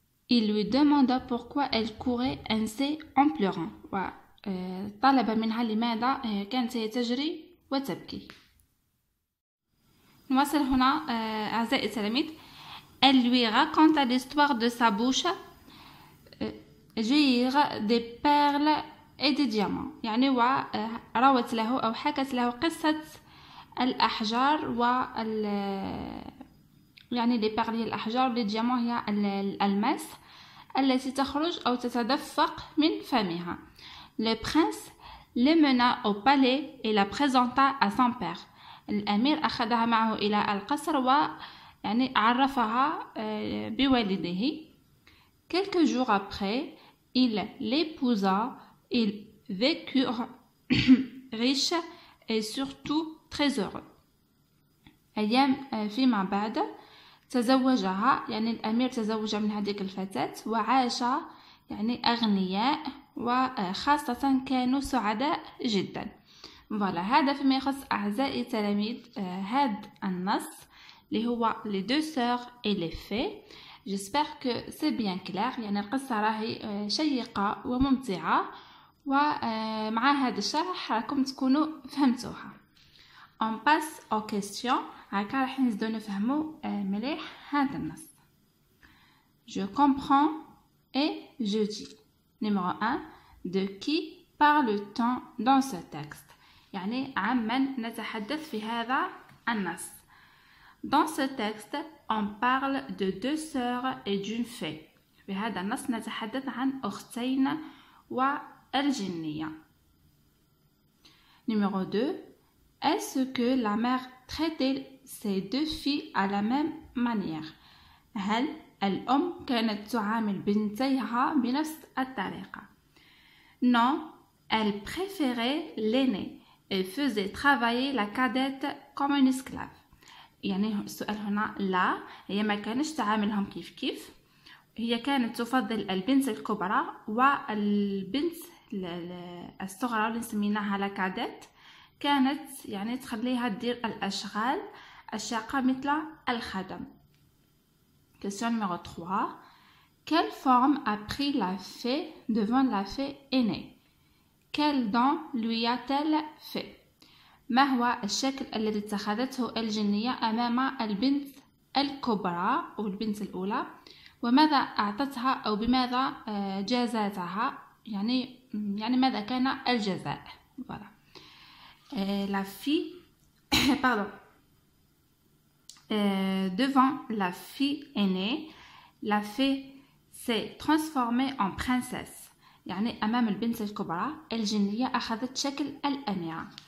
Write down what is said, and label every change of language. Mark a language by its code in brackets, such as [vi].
[fr] Il lui demanda pourquoi elle courait ainsi en pleurant. [ar] وطلب منها لماذا كانت هي تجري وتبكي. نواصل هنا أعزائي التلاميذ. [fr] Elle lui raconta l'histoire de sa bouche. [ar] جير دي بيرل اي دي ديامون يعني وروت له او حكت له قصة الاحجار وال يعني دي بيرل الاحجار دي ديامون هي الالماس التي تخرج او تتدفق من فمها. [fr] Le prince l'emmena au palais et la présenta à son père. [ar] الامير اخذها معه الى القصر و يعني عرفها بوالديه. [fr] Quelques jours après il l'épousa, ils vécurent riches et surtout très heureux. [ar] أيام فيما بعد تزوجها يعني الأمير تزوج من هذيك الفتاة وعاش يعني أغنياء وخاصة كانوا سعداء جدا. Voilà, هذا فيما يخص أعزائي تلاميذ هذا النص اللي هو les deux sœurs et les fées. [fr] J'espère que c'est bien clair. [ar] يعني القصة راهي شيقة وممتعة ومع هذا الشرح راكم تكونوا فهمتوها. [fr] On passe aux questions. [ar] هكا راح نزيدو نفهمو مليح هذا النص. [fr] Je comprends et je dis. Numéro 1. De qui parle-t-on dans ce texte? [ar] يعني عمن نتحدث في هذا النص. [fr] Dans ce texte, on parle de deux sœurs et d'une fée. [ar] في هذا النص نتحدث عن أختين والجنية. [fr] Numéro 2. Est-ce que la mère traitait ses deux filles à la même manière? [ar] هل الأم كانت تعامل بنتيها بنفس الطريقة؟ [fr] Non, elle préférait l'aînée et faisait travailler la cadette comme une esclave. [ar] يعني السؤال هنا لا هي ما كانش تعاملهم كيف كيف هي كانت تفضل البنت الكبرى والبنت الصغرى اللي سميناها لاكادات، كانت يعني تخليها تدير الأشغال الشاقة مثل الخدم. [fr] Question numéro 3. Quelle forme a pris la fée devant la fée aînée? Quel don lui a-t-elle fait? [ar] ما هو الشكل الذي اتخذته الجنية أمام البنت الكبرى أو البنت الأولى؟ وماذا أعطتها أو بماذا جازتها؟ يعني ماذا كان الجزاء؟ voilà. [fr] La fille, pardon. Devant la fille aînée, la fée s'est transformée en princesse. [ar] يعني أمام البنت الكبرى الجنية أخذت شكل الأميرة.